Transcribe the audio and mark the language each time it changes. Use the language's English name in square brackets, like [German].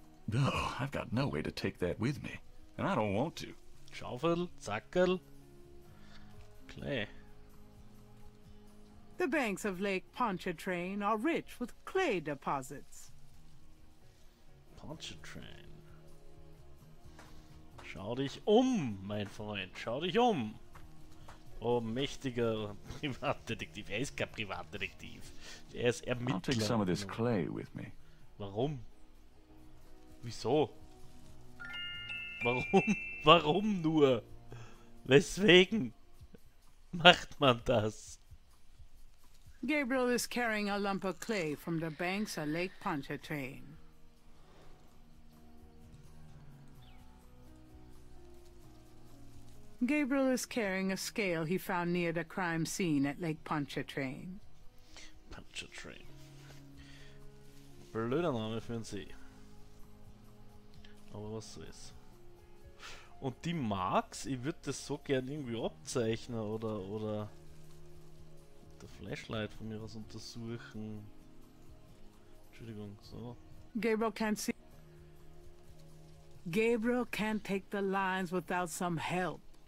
[English] No, I've got no way to take that with me, and I don't want to. [German] Schaufel, Zackel, Clay. [English] The banks of Lake Pontchartrain are rich with clay deposits. Pontchartrain. [German] Schau dich um, mein Freund, schau dich um. Oh, mächtiger Privatdetektiv. Er ist kein Privatdetektiv. Er ist Ermittler. [English] I'll take some of this clay with me. [German] Warum? Wieso? Warum? Warum nur? Weswegen macht man das? [English] Gabriel is carrying a lump of clay from the banks of Lake Pontchartrain. Gabriel is carrying a scale he found near the crime scene at Lake Pontchartrain. [German] Pontchartrain. Blöder Name für einen See. Aber was so ist. Und die Marks, ich würde das so gern irgendwie abzeichnen oder der Flashlight von mir aus untersuchen. Entschuldigung, so. [English] Gabriel can't take the lines without some help.